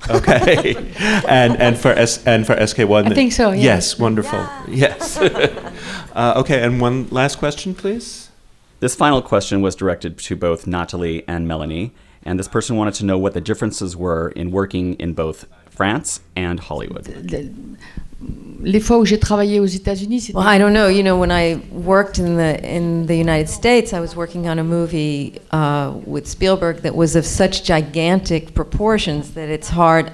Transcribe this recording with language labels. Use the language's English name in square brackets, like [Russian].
[English] Okay. And for SK1? I think so, yes. Yes, wonderful. Yeah. Yes. Okay, and one last question, please. This final question was directed to both Nathalie and Melanie, and this person wanted to know what the differences were in working in both France and Hollywood. [French] Les fois où j'ai travaillé aux États-Unis, c'était... [English] Well, I don't know. You know, when I worked in the United States, I was working on a movie with Spielberg that was of such gigantic proportions that it's hard.